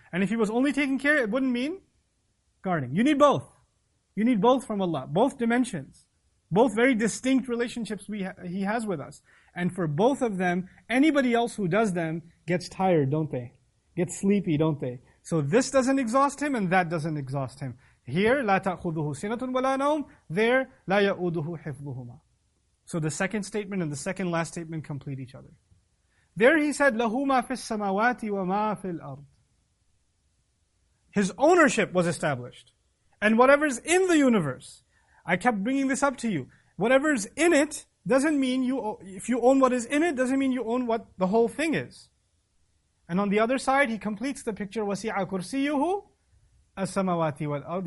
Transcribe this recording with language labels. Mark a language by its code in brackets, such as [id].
[en] And if He was only taking care, it wouldn't mean guarding. You need both. You need both from Allah, both dimensions. Both very distinct relationships He has with us. And for both of them, anybody else who does them gets tired, don't they? Gets sleepy, don't they? So this doesn't exhaust Him and that doesn't exhaust Him. Here, [ar] لا تأخذه سنة ولا نوم. [en] There, [ar] لا يؤده حفظهما. [en] So the second statement and the second last statement complete each other. There He said, [ar] له ما في السماوات وما في الأرض. [en] His ownership was established. And whatever's in the universe, I kept bringing this up to you. Whatever's in it doesn't mean if you own what is in it, doesn't mean you own what the whole thing is. And on the other side, He completes the picture, [ar] وَسِعَ كُرْسِيُّهُ السَّمَوَاتِ وَالْأَرْضِ.